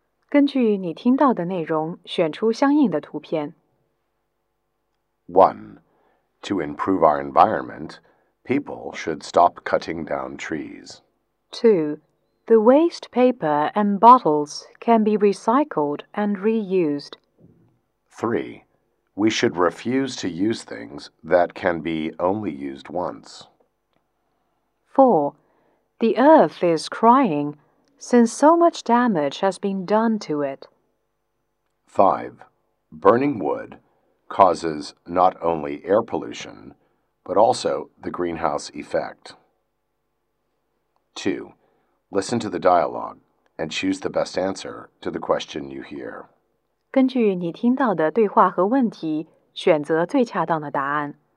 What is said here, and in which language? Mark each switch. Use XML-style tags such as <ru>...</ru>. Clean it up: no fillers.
<zh>根据你听到的内容，选出相应的图片。</zh> <en>1. To improve our environment, people should stop cutting down trees. 2. The waste paper and bottles can be recycled and reused. 3. We should refuse to use things that can be only used once. 4. The earth is crying since so much damage has been done to it. 5. Burning wood causes not only air pollution, but also the greenhouse effect. 2. Listen to the dialogue and choose the best answer to the question you hear.</en> <zh>根据你听到的对话和问题，选择最恰当的答案。</zh>